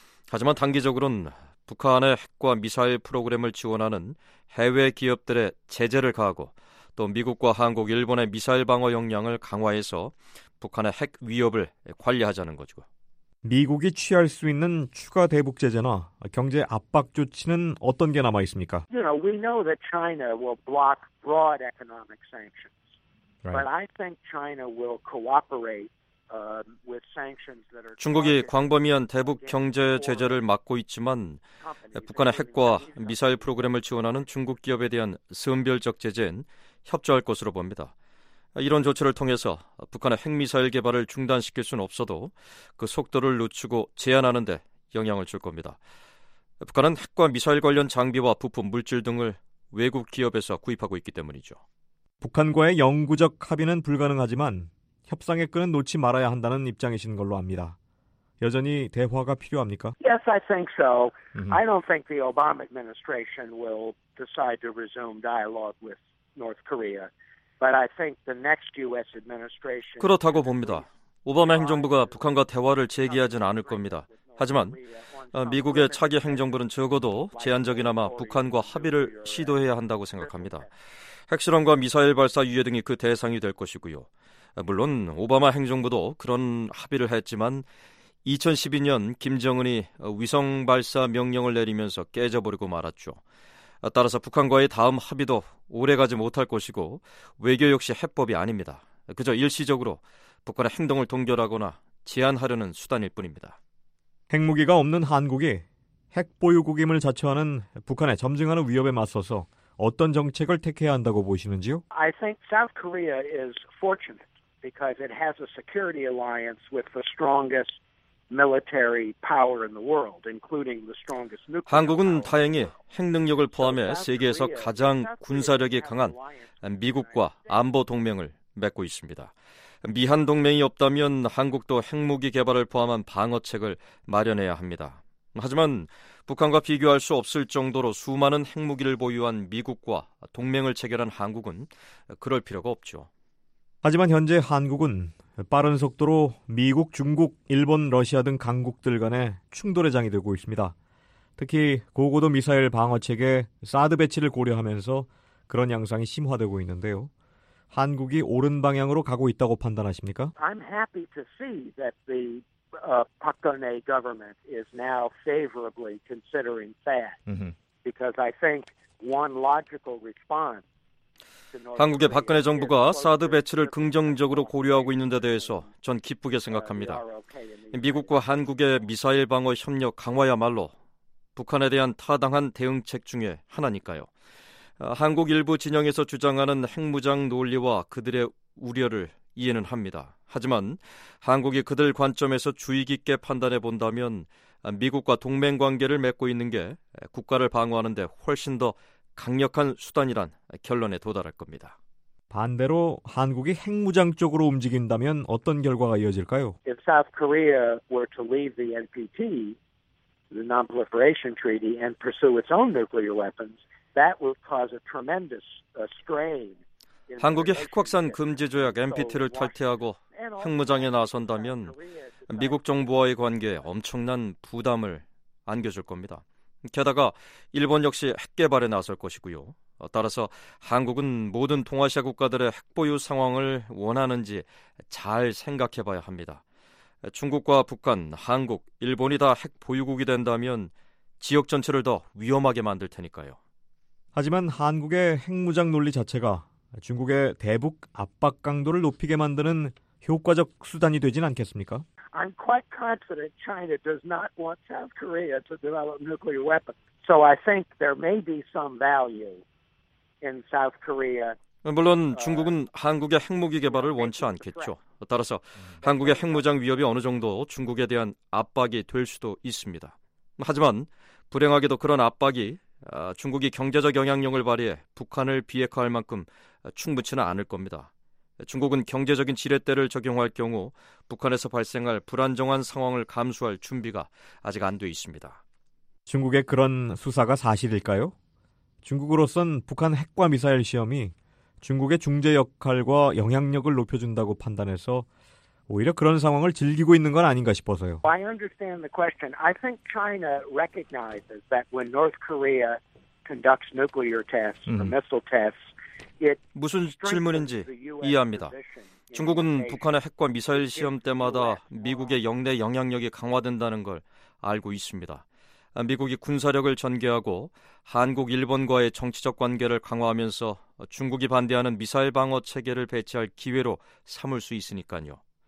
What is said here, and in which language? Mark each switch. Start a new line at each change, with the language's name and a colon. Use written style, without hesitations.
Korean: 하지만 단기적으로는 북한의 핵과 미사일 프로그램을 지원하는 해외 기업들의 제재를 가하고 또 미국과 한국, 일본의 미사일 방어 역량을 강화해서 북한의 핵 위협을 관리하자는 거죠. 미국이 취할 수 있는 추가 대북 제재나 경제 압박 조치는 어떤 게 남아 있습니까?
English: You know, we know that China will block broad economic sanctions. But I think China will cooperate with sanctions that are
Korean: 중국이 광범위한 대북 경제 제재를 막고 있지만 북한의 핵과 미사일 프로그램을 지원하는 중국 기업에 대한 선별적 제재는 협조할 것으로 봅니다. 이런 조치를 통해서 북한의 핵미사일 개발을 중단시킬 수는 없어도 그 속도를 늦추고 제한하는 데 영향을 줄 겁니다. 북한은 핵과 미사일 관련 장비와 부품, 물질 등을 외국 기업에서 구입하고 있기 때문이죠. 북한과의 영구적 합의는 불가능하지만 협상의 끈은 놓지 말아야 한다는 입장이신 걸로 압니다. 여전히 대화가 필요합니까?
English: Yes, I think so. I don't think the Obama administration will decide to resume dialogue with North Korea. But I think the next U.S. administration.
Korean: 그렇다고 봅니다. 오바마 행정부가 북한과 대화를 재개하진 않을 겁니다. 하지만 미국의 차기 행정부는 적어도 제한적이나마 북한과 합의를 시도해야 한다고 생각합니다. 핵실험과 미사일 발사 유예 등이 그 대상이 될 것이고요. 물론 오바마 행정부도 그런 합의를 했지만 2012년 김정은이 위성 발사 명령을 내리면서 깨져버리고 말았죠. 따라서 북한과의 다음 합의도 오래가지 못할 것이고 외교 역시 해법이 아닙니다. 그저 일시적으로 북한의 행동을 동결하거나 제한하려는 수단일 뿐입니다. 핵무기가 없는 한국이 핵 보유국임을 자처하는 북한의 점증하는 위협에 맞서서 어떤 정책을 택해야 한다고 보시는지요?
English: I think South Korea is fortunate because it has a security alliance with the strongest military power in the world, including the strongest nuclear.
Korean: 한국은 다행히 핵 능력을 포함해 세계에서 가장 군사력이 강한 미국과 안보 동맹을 맺고 있습니다. 미한 동맹이 없다면 한국도 핵무기 개발을 포함한 방어책을 마련해야 합니다. 하지만 북한과 비교할 수 없을 정도로 수많은 핵무기를 보유한 미국과 동맹을 체결한 한국은 그럴 필요가 없죠. 하지만 현재 한국은 빠른 속도로 미국, 중국, 일본, 러시아 등 강국들 간의 충돌의 장이 되고 있습니다. 특히 고고도 미사일 방어체계 사드 배치를 고려하면서 그런 양상이 심화되고 있는데요. 한국이 옳은 방향으로 가고 있다고 판단하십니까?
English: I'm happy to see that the Pakone government is now favorably considering that. Because I think one logical response
Korean: 한국의 박근혜 정부가 사드 배치를 긍정적으로 고려하고 있는 데 대해서 전 기쁘게 생각합니다. 미국과 한국의 미사일 방어 협력 강화야말로 북한에 대한 타당한 대응책 중에 하나니까요. 한국 일부 진영에서 주장하는 핵무장 논리와 그들의 우려를 이해는 합니다. 하지만 한국이 그들 관점에서 주의 깊게 판단해 본다면 미국과 동맹관계를 맺고 있는 게 국가를 방어하는 데 훨씬 더 강력한 수단이란 결론에 도달할 겁니다. 반대로 한국이 핵무장 쪽으로 움직인다면 어떤 결과가 이어질까요?
English: If South Korea were to leave the NPT, the Non-Proliferation Treaty, and pursue its own nuclear weapons, that would cause a tremendous strain.
Korean: 한국이 핵확산 금지 조약 NPT를 탈퇴하고 핵무장에 나선다면 미국 정부와의 관계에 엄청난 부담을 안겨줄 겁니다. 게다가 일본 역시 핵개발에 나설 것이고요. 따라서 한국은 모든 동아시아 국가들의 핵보유 상황을 원하는지 잘 생각해봐야 합니다. 중국과 북한, 한국, 일본이 다 핵보유국이 된다면 지역 전체를 더 위험하게 만들 테니까요. 하지만 한국의 핵무장 논리 자체가 중국의 대북 압박 강도를 높이게 만드는 효과적 수단이 되진 않겠습니까?
English: I'm quite confident China does not want South Korea to develop nuclear weapons. So I think there may be some value in South Korea.
Korean: 물론 중국은 한국의 핵무기 개발을 원치 않겠죠. 따라서 한국의 핵무장 위협이 어느 정도 중국에 대한 압박이 될 수도 있습니다. 하지만 불행하게도 그런 압박이 중국이 경제적 영향력을 발휘해 북한을 비핵화할 만큼 충분치는 않을 겁니다. 중국은 경제적인 지렛대를 적용할 경우 북한에서 발생할 불안정한 상황을 감수할 준비가 아직 안 돼 있습니다. 중국의 그런 수사가 사실일까요? 중국으로선 북한 핵과 미사일 시험이 중국의 중재 역할과 영향력을 높여준다고 판단해서 오히려 그런 상황을 즐기고 있는 건 아닌가 싶어서요.
English: I understand the question. I think China recognizes that when North Korea conducts nuclear tests or missile tests,
Korean: 무슨 질문인지 이해합니다. 중국은 북한의 핵과 미사일 시험 때마다 미국의 영내 영향력이 강화된다는 걸 알고 있습니다. 미국이 군사력을 전개하고 한국, 일본과의 정치적 관계를 강화하면서 중국이 반대하는 미사일 방어 체계를 배치할 기회로 삼을 수 있으니까요.